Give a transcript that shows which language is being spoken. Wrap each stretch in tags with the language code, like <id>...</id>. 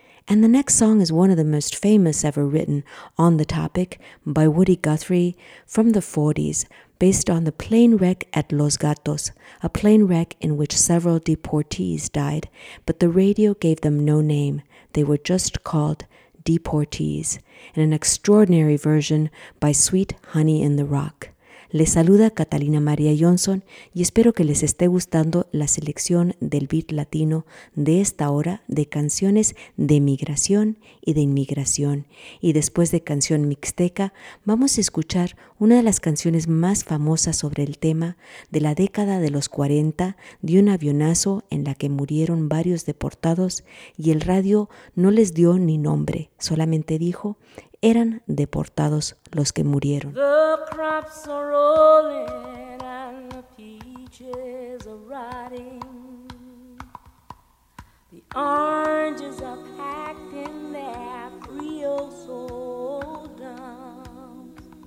<en>And the next song is one of the most famous ever written on the topic by Woody Guthrie from the 40s, based on the plane wreck at Los Gatos, a plane wreck in which several deportees died, but the radio gave them no name. They were just called deportees, in an extraordinary version by Sweet Honey in the Rock.</en> <es>Les saluda Catalina María Johnson y espero que les esté gustando la selección del beat latino de esta hora de canciones de migración y de inmigración. Y después de canción mixteca, vamos a escuchar una de las canciones más famosas sobre el tema de la década de los 40, de un avionazo en la que murieron varios deportados y el radio no les dio ni nombre, solamente dijo: eran deportados los que murieron.</es> <en>The crops are rolling and the peaches are rotting. The oranges are packed in their Creole soldiers.</en>